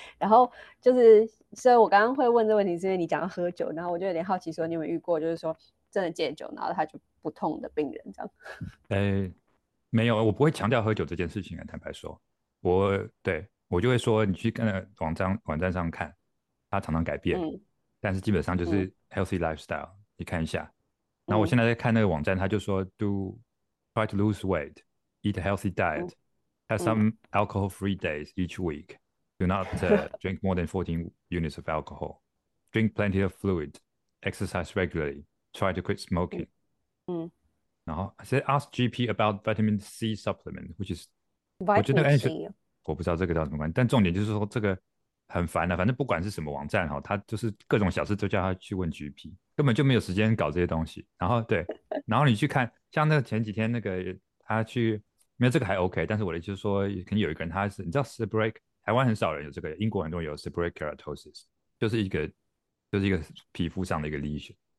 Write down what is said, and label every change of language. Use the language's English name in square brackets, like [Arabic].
[Chinese] 然后就是所以我刚刚会问这问题是因为你讲到喝酒，然后我就有点好奇说你有没有遇过就是说真的戒酒然后他就不痛的病人这样。没有，我不会强调喝酒这件事情，坦白说。我就会说你去看网站上看，他常常改变，但是基本上就是 [English] healthy lifestyle， [Chinese] 你看一下。然后我现在在看那个网站，他就说 [English] do try to lose weight, eat a healthy diet, have some alcohol-free days each week, do not drink more than 14 units of alcohol, drink plenty of fluid, exercise regularly, try to quit smoking. [Chinese] 然后 [English] I said ask GP about vitamin C supplement, which is vitamin C. [Chinese] 我不知道这个叫什么关系，但重点就是说这个很烦啊，反正不管是什么网站哈，他就是各种小事都叫他去问 GP。根本就没有时间搞这些东西，然后对，然后你去看，像那个前几天那个他去，没有这个还 OK， 但是我的就是说，可能有一个人他是，你知道 Seborrheic， 台湾很少人有这个，英国很多人有 Seborrheic keratosis， 就是一个皮肤上的一个 lesion，